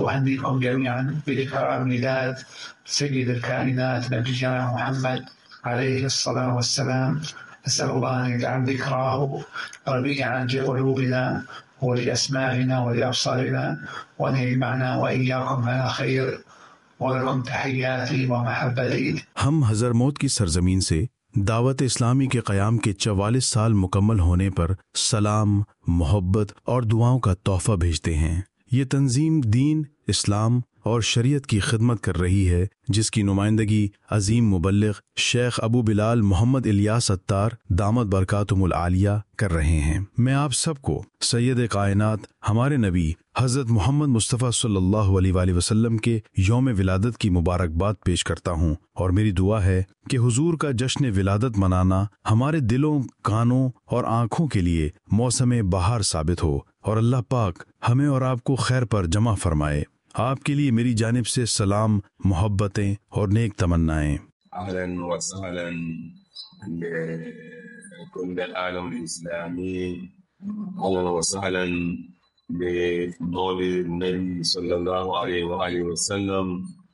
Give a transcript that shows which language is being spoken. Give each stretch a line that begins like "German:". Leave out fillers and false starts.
Arabic: أهنيكم جميعا بذكرى ميلاد سيد الكائنات نبينا محمد عليه الصلاة والسلام. أسأل الله أن يجعل ذكراه ربيعا في قلوبنا ولأسماعنا ولأبصارنا, وأن يجمعنا وإياكم على خير. ولكم تحياتي ومحبتي.
Urdu: هم حضرموت کی سرزمین سے دعوت اسلامی کے قیام کے 44 سال مکمل ہونے پر سلام, محبت اور دعاؤں کا تحفہ بھیجتے ہیں. یہ تنظیم دین اسلام اور شریعت کی خدمت کر رہی ہے، جس کی نمائندگی عظیم مبلغ شیخ ابو بلال محمد الیاس اتار دامت برکاتہم العالیہ کر رہے ہیں۔ میں آپ سب کو سید کائنات ہمارے نبی حضرت محمد مصطفیٰ صلی اللہ علیہ وآلہ وسلم کے یوم ولادت کی مبارکباد پیش کرتا ہوں، اور میری دعا ہے کہ حضور کا جشن ولادت منانا ہمارے دلوں، کانوں اور آنکھوں کے لیے موسم بہار ثابت ہو، اور اللہ پاک ہمیں اور آپ کو خیر پر جمع فرمائے۔ آپ کے لیے میری جانب سے سلام، محبتیں اور نیک تمنائیں۔
Arabic: اهلاً وسهلاً بكل العالم الإسلامي، اهلاً وسهلاً بفضل النبي صلى الله عليه وآله وسلم،